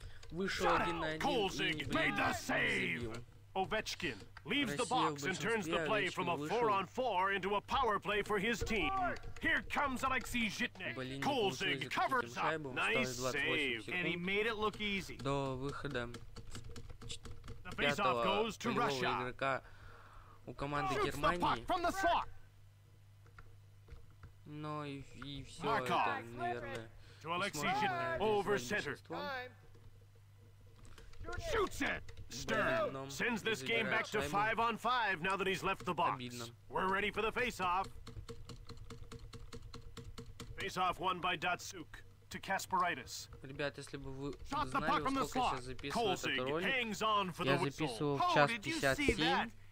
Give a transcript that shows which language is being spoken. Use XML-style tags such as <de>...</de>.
<ru>Вышел один на один и, блин, забил.</ru> <en>Овечкин leaves the box and turns the play from a 4-on-4 into a power play for his team. Here comes Alexey Zhitnik. Колзик covers up. Nice save. And he made it look easy.</en> <ru>До выхода пятого полевого игрока у команды Германии. Но и все это, наверное,</ru> <en>to Alexey Zhitnik over center. Shoots it. Stern sends this game back to 5-on-5 now that he's left the box. We're ready for the face-off. Face-off won by Datsyuk to Kasparaitis.</en> <ru>Ребят, если бы вы знали, сколько я сейчас записываю этот ролик, я записываю в час 57.</ru>